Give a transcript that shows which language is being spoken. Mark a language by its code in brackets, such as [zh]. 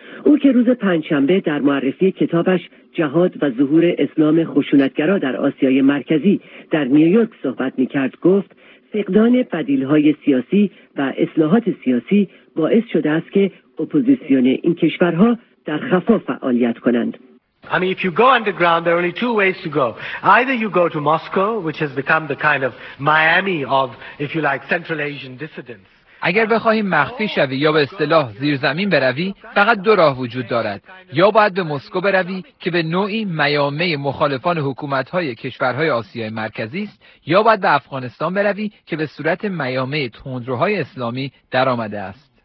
[fa] او که روز پنجشنبه در معرفی کتابش جهاد و ظهور اسلام خشونتگرا در آسیای مرکزی در نیویورک صحبت می‌کرد، گفت فقدان بدیل‌های سیاسی و اصلاحات سیاسی باعث شده است که اپوزیسیون این کشورها در خفا فعالیت کنند. [en] I mean, if you go underground, there are only two ways to go. Either you go to Moscow, which has become the kind of Miami of, if you like, Central Asian dissidents. [fa] اگر بخواهیم مخفی شوی یا به اصطلاح زیرزمین بروی، فقط دو راه وجود دارد. یا باید به مسکو بروی که به نوعی میامه مخالفان حکومت‌های کشورهای آسیای مرکزی است، یا باید به افغانستان بروی که به صورت میامه تندروهای اسلامی در آمده است.